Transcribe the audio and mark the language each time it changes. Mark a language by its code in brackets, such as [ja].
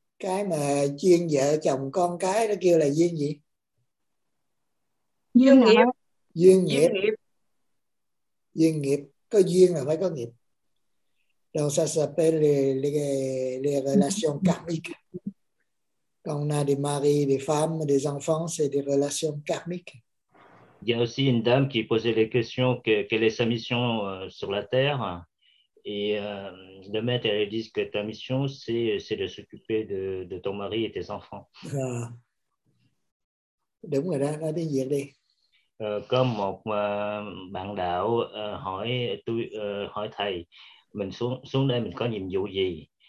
[vi] Cái mà duyên vợ chồng con cái đó kêu là duyên gì? Duyên nghiệp. Duyên nghiệp. nghiệp. Duyên nghiệp. Có duyên là phải có nghiệp. [fr] Donc ça s'appelle les relations karmiques. Quand on a des maris, des femmes, des enfants, c'est des relations karmiques. Il y a aussi une dame qui posait la question que, quelle est sa mission sur la Terre. Et le maître, elle dit que ta mission, c'est de s'occuper de ton mari et tes enfants. [vi] Đúng rồi đó, nói tiếng Việt đi. Có một bạn đạo hỏi thầy, mình xuống xuống đây mình có nhiệm vụ gì?